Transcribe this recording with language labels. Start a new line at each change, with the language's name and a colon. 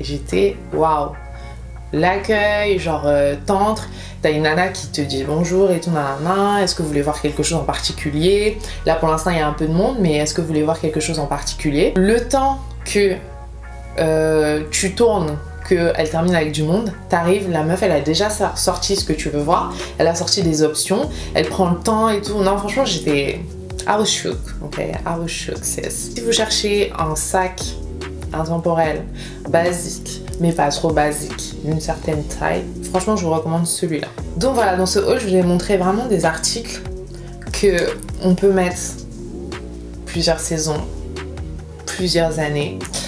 French: J'étais waouh, l'accueil, genre t'entres, t'as une nana qui te dit bonjour et tout, nanana, est-ce que vous voulez voir quelque chose en particulier? Là pour l'instant il y a un peu de monde, mais est-ce que vous voulez voir quelque chose en particulier? Le temps que tu tournes, qu'elle termine avec du monde, t'arrives, la meuf elle a déjà sorti ce que tu veux voir, elle a sorti des options, elle prend le temps et tout. Non franchement j'étais...
English: I was shook, ok, I was shook, sis.
French: Si vous cherchez un sac intemporel, basique, mais pas trop basique, d'une certaine taille, franchement je vous recommande celui-là. Donc voilà, dans ce haul je vous ai montré vraiment des articles que on peut mettre plusieurs saisons, plusieurs années.